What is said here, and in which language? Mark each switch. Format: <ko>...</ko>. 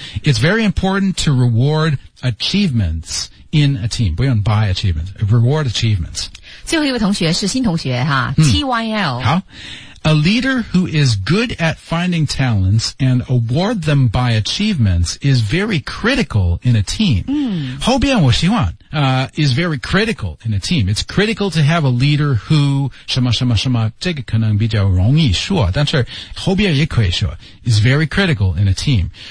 <en>It's very important to reward achievements in a team.</en> <zh>不用</zh> <en>buy achievements. Reward achievements.</en> <zh>最后一位同学是新同学哈、嗯、,TYL. 好。</zh> <en>A leader who is good at finding talents and award them by achievements is very critical in a team.</en> <zh>嗯，后边我希望</zh> <en>is very critical in a team. It's critical to have a leader who</en> <zh>什么什么什么，这个可能比较容易说，但是后边也可以说</zh> <en>is very critical in a team.</en>